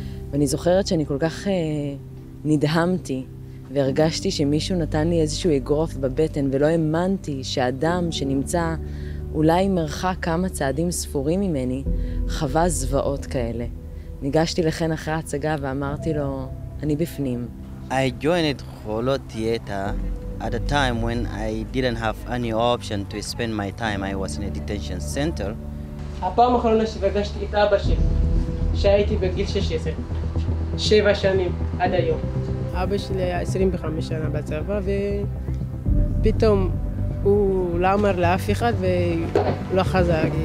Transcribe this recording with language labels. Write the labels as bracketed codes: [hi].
[he] ואני זוכרת שאני כל כך נדהמתי, והרגשתי שמישהו נתן לי איזשהו אגרוף בבטן, ולא האמנתי שאדם שנמצא אולי מרחק כמה צעדים ספורים ממני, חווה זוועות כאלה. ניגשתי לכן אחרי ההצגה ואמרתי לו, אני בפנים. [en] I joined חולות תיאטר at a time when I didn't have any option to spend my time. I was in a detention center. [he] הפעם האחרונה שפגשתי את אבא שלי, שהייתי בגיל 16, 7 שנים עד היום. אבא שלי היה 25 שנה בצבא, ופתאום הוא לא אמר לאף אחד ולא חזר.